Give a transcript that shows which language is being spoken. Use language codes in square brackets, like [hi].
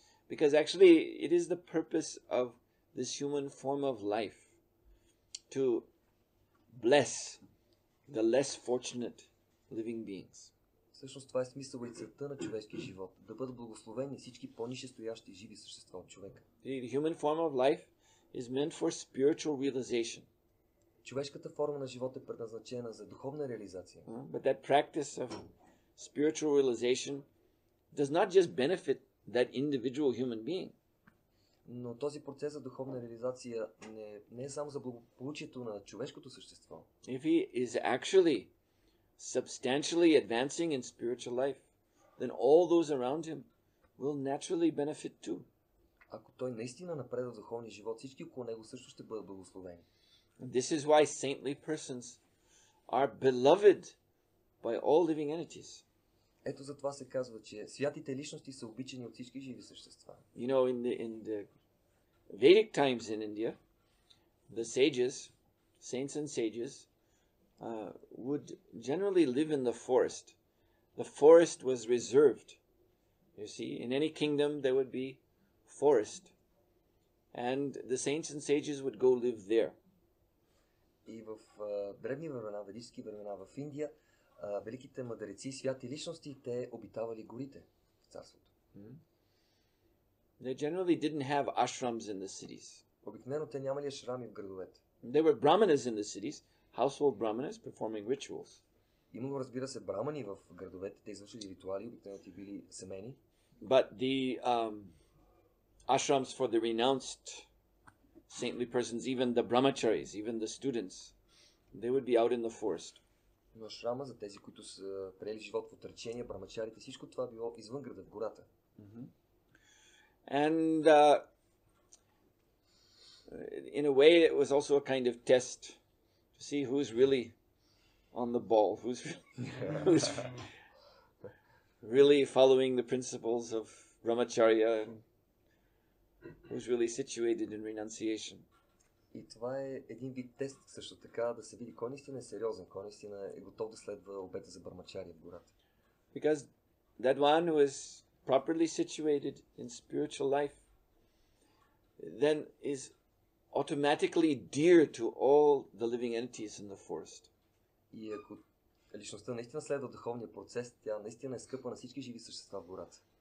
[en] Because actually it is the purpose of this human form of life to bless the less fortunate living beings. [bg] Всъщност това е смисъл и целта на човешкия живот, да бъдат благословени всички по-нише стоящи живи същества от човека. [en] The human form of life is meant for spiritual realization. [bg] Човешката форма на живот е предназначена за духовна реализация. [en] But that practice of spiritual realization does not just benefit that individual human being. [bg] Но този процес за духовна реализация не е само за благополучието на човешкото същество. [en] If he is actually substantially advancing in spiritual life, then all those around him will naturally benefit too. [bg] Ако той наистина напредва в духовния живот, всички около него също ще бъдат благословени. [en] This is why saintly persons are beloved by all living entities. [bg] Ето затова се казва, че святите личности са обичани от всички живи същества. [en] You know, in the Vedic times in India, the sages, saints and sages, would generally live in the forest. The forest was reserved. You see, in any kingdom there would be forest. And the saints and sages would go live there. [bg] И в древни времена, ведически времена в Индия, великите мъдреци, святи личности, те обитавали горите в царството. [en] They generally didn't have ashrams in the cities. [bg] Обикновено те нямали ашрами в градовете. [en] They were brahmanas in the cities. Household brahmanas performing rituals. [bg] Имало, разбира се, брамани в градовете, те извършили ритуали, обикновено ти били семейни. [en] But the ashrams for the renounced saintly persons, even the brahmacharis, even the students, they would be out in the forest. [bg] Но ашрама за тези, които са приели живот в отречение, брамачарите, всичко това било извън града, в гората. [en] And in a way it was also a kind of test. See who's really on the ball, who's really following the principles of Brahmacharya, and who's really situated in renunciation. [bg] И това е един вид тест също така, да се види кой наистина е сериозен, кой наистина е готов да следва обета за Брахмачария в гората. [en] Because that one who is properly situated in spiritual life, then is automatically dear to all the living entities in the forest. [bg] И ако личността наистина следва духовния процес, тя наистина е скъпа на всички живи същества в гората.